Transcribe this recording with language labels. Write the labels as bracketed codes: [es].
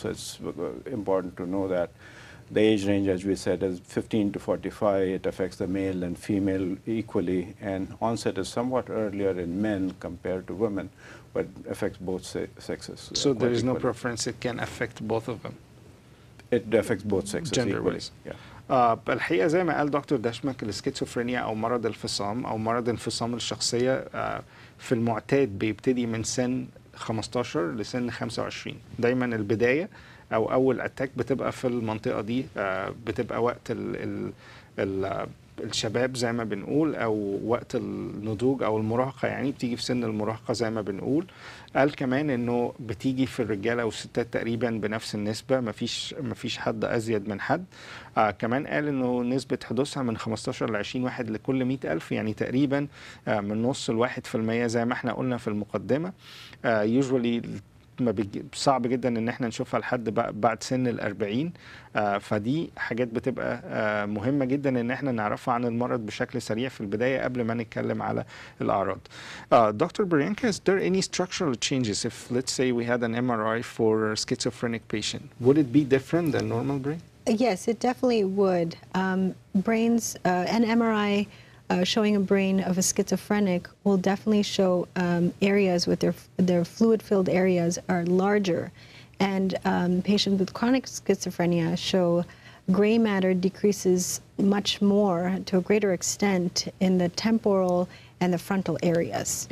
[en] So it's important to know that the age range, as we said, is 15 to 45. It affects the male and female equally. And onset is somewhat earlier in men compared to women. But affects both sexes. So there is equally. No preference, it can affect both of them? It affects both sexes. Gender-wise. [ar] الحقيقة زي ما قال دكتور دشمك السكيزوفرينيا أو مرض الفصام أو مرض انفصام الشخصية في المعتاد بيبتدي من سن 15 لسن 25. دايما البداية أو أول أتاك بتبقى في المنطقة دي بتبقى وقت الـ الشباب زي ما بنقول أو وقت النضوج أو المراهقة يعني بتيجي في سن المراهقة زي ما بنقول قال كمان أنه بتيجي في الرجالة والستات تقريبا بنفس النسبة مفيش حد أزيد من حد كمان قال أنه نسبة حدوثها من 15 ل 20 واحد لكل 100,000 يعني تقريبا من نص الواحد في المية زي ما احنا قلنا في المقدمة [en] usually [ar] ما صعب جدا ان احنا نشوفها لحد بعد سن الأربعين فدي حاجات بتبقى مهمة جدا ان احنا نعرفها عن المرض بشكل سريع في البداية قبل ما نتكلم على الأعراض دكتور بريانكا [en] is there any structural changes if let's say we had an MRI for a schizophrenic patient would it be different than normal brain? Yes, it definitely would. Brains, an MRI showing a brain of a schizophrenic will definitely show areas with their fluid-filled areas are larger And patients with chronic schizophrenia show gray matter decreases much more to a greater extent in the temporal and the frontal areas.